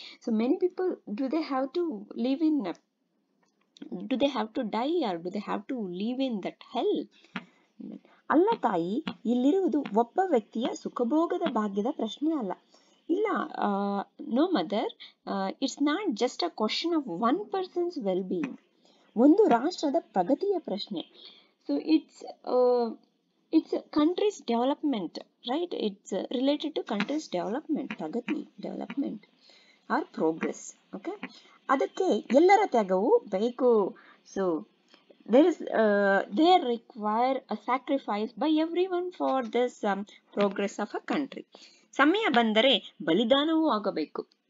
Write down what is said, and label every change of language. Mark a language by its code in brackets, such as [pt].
[en] So many people, do they have to live in, do they have to die, or do they have to live in that hell? [kn] ಅಲ್ಲ ತಾಯಿ, ಇಲ್ಲಿರುವುದು ಒಬ್ಬ ವ್ಯಕ್ತಿಯ ಸುಖಭೋಗದ ಭಾಗ್ಯದ ಪ್ರಶ್ನೆ ಅಲ್ಲ. [en] ಇಲ್ಲ, no mother, it's not just a question of one person's well being, [kn] ಒಂದು ರಾಷ್ಟ್ರದ ಪ್ರಗತಿಯ ಪ್ರಶ್ನೆ. [en] So it's country's development, right? It's related to country's development, pragati development. Or progress. [kn] Okay, ಅದಕ್ಕೆ ಎಲ್ಲರ ತ್ಯಾಗವು ಬೇಕು. [en] So there is they are require a sacrifice by every one for this progress of a country. [kn] ಸಮಯ ಬಂದರೆ ಬಲಿದಾನವೂ ಆಗಬೇಕು.